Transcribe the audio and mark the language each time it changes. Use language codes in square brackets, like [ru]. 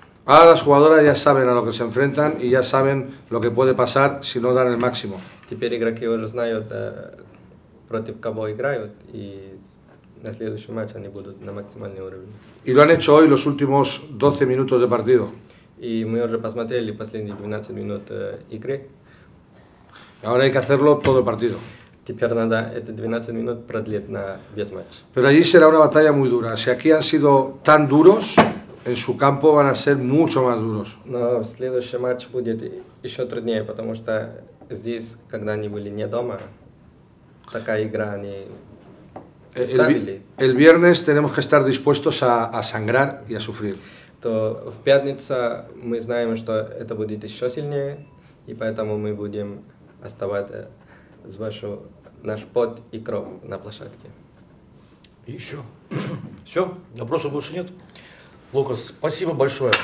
[es] Ahora las jugadoras ya saben a lo que se enfrentan y ya saben lo que puede pasar si no dan el máximo. [ru] Теперь игроки уже знают, против кого играют, и на следующий матч они будут на максимальном уровне. [es] Y lo han hecho hoy los últimos 12 minutos de partido. [ru] Y мы уже посмотрели последние 12 минут игры. [es] Ahora hay que hacerlo todo el partido. [ru] Теперь надо эти 12 минут продлить на весь матч. [es] Pero allí será una batalla muy dura. Si aquí han sido tan duros, en su campo van a ser mucho más duros. [ru] Но следующий матч будет еще труднее, потому что здесь, когда они были не дома, такая игра они ставили. [es] El viernes tenemos que estar dispuestos a sangrar y a sufrir. [ru] То в пятницу мы знаем, что это будет еще сильнее, и поэтому мы будем оставаться с вашу наш пот и кровь на площадке. Еще. Все, вопросов больше нет. Лукас, спасибо большое.